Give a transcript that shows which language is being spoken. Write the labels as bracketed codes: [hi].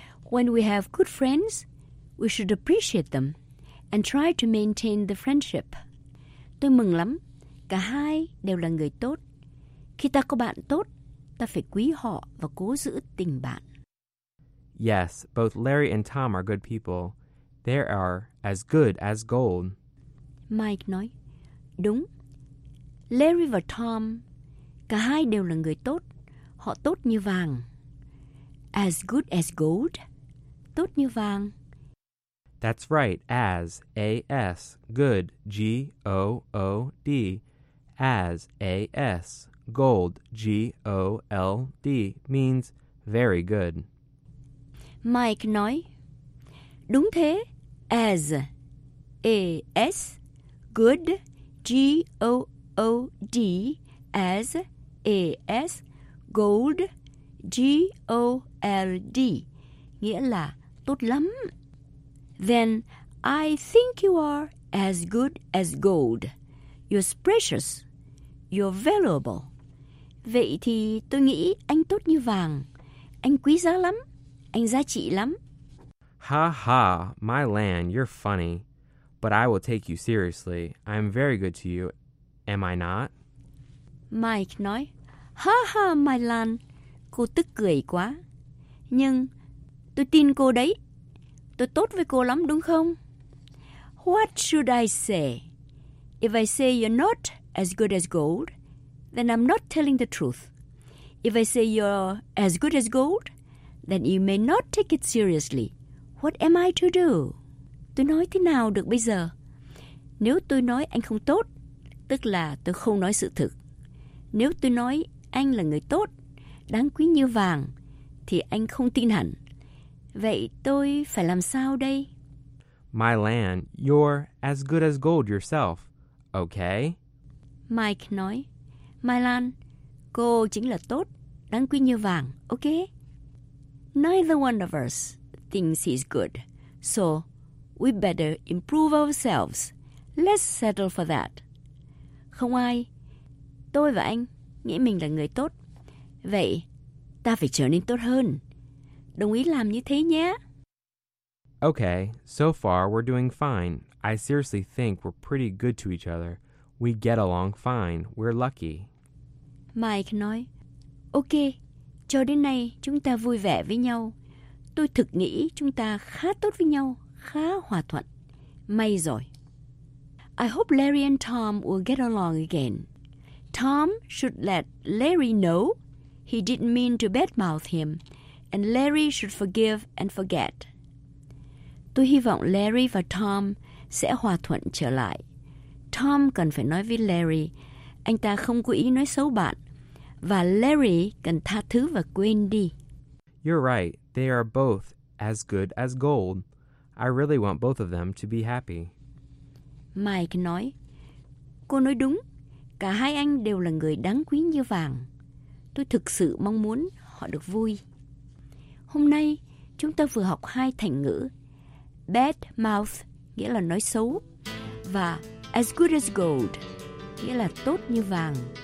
[en] When we have good friends, we should appreciate them and try to maintain the friendship. [vi] Tôi mừng lắm. Cả hai đều là người tốt. Khi ta có bạn tốt, ta phải quý họ và cố giữ tình bạn. [en] Yes, both Larry and Tom are good people. They are as good as gold. [vi] Mike nói, đúng. Larry và Tom, cả hai đều là người tốt. Họ tốt như vàng. [en] As good as gold. [vi] Tốt như vàng. [en] That's right. As, A-S, good, G-O-O-D. As, A-S, gold, G-O-L-D, means very good. [vi] Mike nói, đúng thế, [en] as, A-S, good, G-O-O-D, as, A-S, gold, G-O-L-D, [vi] nghĩa là tốt lắm. [en] Then, I think you are as good as gold. You're precious. You're valuable. [vi] Vậy thì tôi nghĩ anh tốt như vàng. Anh quý giá lắm. Anh giá trị lắm. [en] Ha ha, my land, you're funny. But I will take you seriously. I am very good to you, am I not? [vi] Mike nói, [en] ha ha, my land. [vi] Cô tức cười quá. Nhưng tôi tin cô đấy. Tôi tốt với cô lắm, đúng không? [en] What should I say? If I say you're not as good as gold, then I'm not telling the truth. If I say you're as good as gold, then you may not take it seriously. What am I to do? [vi] Tôi nói thế nào được bây giờ? Nếu tôi nói anh không tốt, tức là tôi không nói sự thực. Nếu tôi nói anh là người tốt, đáng quý như vàng, thì anh không tin hẳn. Vậy tôi phải làm sao đây? [en] My Lan, you're as good as gold yourself, okay? [vi] Mike nói, My Lan, cô chính là tốt, đáng quý như vàng, okay? [en] Neither one of us thinks he's good, so we better improve ourselves. Let's settle for that. [vi] Không ai, tôi và anh, nghĩ mình là người tốt. Vậy, ta phải trở nên tốt hơn. Đồng ý làm như thế nhé. [en] Okay, so far we're doing fine. I seriously think we're pretty good to each other. We get along fine. We're lucky. [vi] Mike nói, okay, cho đến nay chúng ta vui vẻ với nhau. Tôi thực nghĩ chúng ta khá tốt với nhau, khá hòa thuận. May rồi. [en] I hope Larry and Tom will get along again. Tom should let Larry know he didn't mean to badmouth him, and Larry should forgive and forget. [vi] Tôi hy vọng Larry và Tom sẽ hòa thuận trở lại. Tom cần phải nói với Larry, anh ta không cố ý nói xấu bạn, và Larry cần tha thứ và quên đi. [en] You're right, they are both as good as gold. I really want both of them to be happy. [vi] Mike nói, cô nói đúng, cả hai anh đều là người đáng quý như vàng. Tôi thực sự mong muốn họ được vui. Hôm nay, chúng ta vừa học hai thành ngữ. [en] Bad mouth [vi] nghĩa là nói xấu và [en] as good as gold [vi] nghĩa là tốt như vàng.